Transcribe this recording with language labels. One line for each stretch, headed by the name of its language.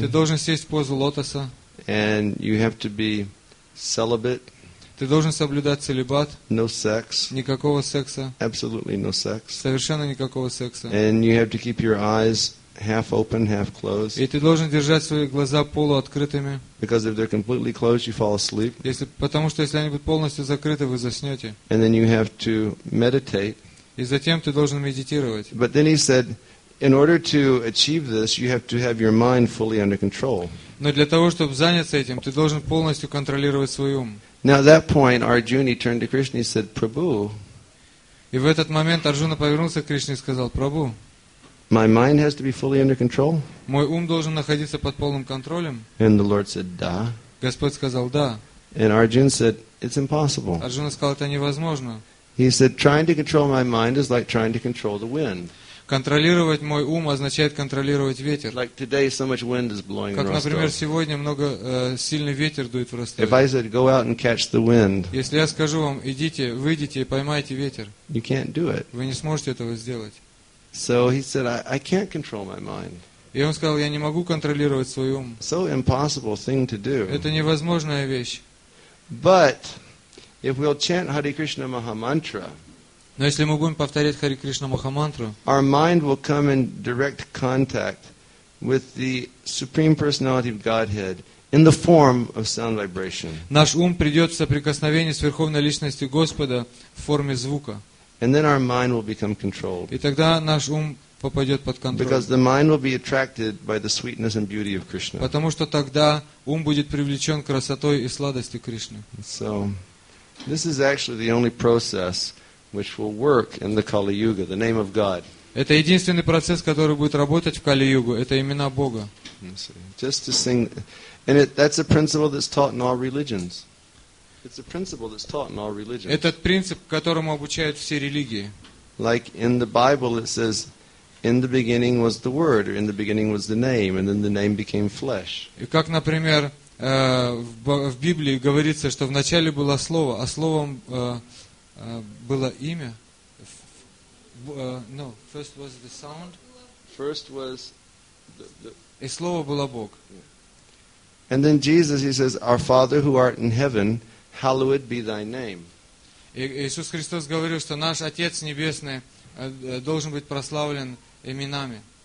Russian: Ты должен сесть в позу лотоса.
English: And you have to be celibate.
Russian: Ты должен соблюдать целибат.
English: No sex.
Russian: Никакого секса.
English: Absolutely no sex.
Russian: Совершенно никакого секса.
English: And you have to keep your eyes half open, half closed.
Russian: И ты должен держать свои глаза полуоткрытыми.
English: Because if they're completely closed, you fall asleep.
Russian: Потому что если они будут полностью закрыты, вы заснете.
English: And then you have to meditate.
Russian: И затем ты должен медитировать.
English: But then he said, In order to achieve this, you have to have your mind fully under control.
Russian: Но для того, чтобы заняться этим, ты должен полностью контролировать свой ум.
English: Now at that point, Arjuna turned to Krishna and said, "Prabhu."
Russian: И в этот момент Арджуна повернулся к Кришне и сказал: "Прабху,
English: my mind has to be fully under control."
Russian: Мой ум должен находиться под полным контролем.
English: And the Lord said,
Russian: "Да." Господь сказал: "Да."
English: And Arjuna said, "It's impossible."
Russian: Арджуна сказал: "Это невозможно."
English: He said, "Trying to control my mind is like trying to control the wind."
Russian: Контролировать мой ум означает контролировать ветер.
English: Like today, so much wind is blowing.
Russian: Как, например, сегодня много сильный ветер дует в Ростове.
English: If I said, "Go out and catch the wind,"
Russian: если я скажу вам: идите, выйдите и поймайте ветер,
English: you can't do it.
Russian: Вы не сможете этого сделать.
English: So he said, "I can't control my mind."
Russian: И он сказал: я не могу контролировать свой ум.
English: So impossible thing to do.
Russian: Это невозможная вещь.
English: But if we'll chant Hare Krishna Maha Mantra.
Russian: Но если мы будем повторять Хари Кришна Махамантру,
English: our mind will come in direct contact with the Supreme Personality of Godhead in the form of sound vibration.
Russian: Наш ум придет в соприкосновение с Верховной Личностью Господа в форме звука.
English: And then our mind will become controlled.
Russian: И тогда наш ум попадет под контроль.
English: Because the mind will be attracted by the sweetness and beauty of Krishna.
Russian: Потому что тогда ум будет привлечен красотой и сладостью Кришны.
English: So, this is actually the only process which will work in the Kali Yuga, the name of God.
Russian: Это единственный процесс, который будет работать в Кали Югу. Это имена Бога.
English: Just to sing, and that's a principle that's taught in all religions. It's a principle that's taught in all religions.
Russian: Этот принцип, которому обучают все религии.
English: Like in the Bible, it says, "In the beginning was the Word, or in the beginning was the name, and then the name became flesh."
Russian: И как, например, в Библии говорится, что в начале было слово, а словом было имя.
English: No, first was the sound. First was the.
Russian: И слово было Бог.
English: And then Jesus, he says, "Our Father who art in heaven, hallowed be thy name."
Russian: И Иисус Христос говорил, что наш Отец небесный должен быть прославлен именами.